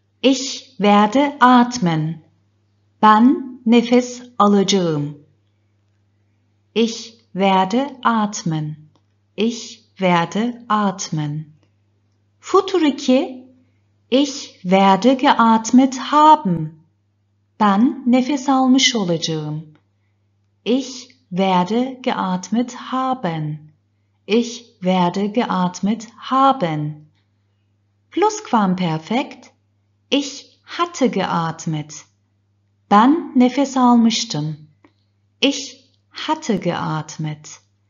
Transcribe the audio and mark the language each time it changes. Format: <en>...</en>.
<de>Ich werde atmen.</de> <tr>Ben nefes alacağım.</tr> <de>Ich werde atmen. Ich werde atmen. Futur 2. Ich werde geatmet haben.</de> <tr>Ben nefes almış olacağım.</tr> <de>Ich werde geatmet haben. Ich werde geatmet haben. Plusquamperfekt. Ich hatte geatmet.</de> <tr>Ben nefes almıştım.</tr> <de>Ich hatte geatmet.</de>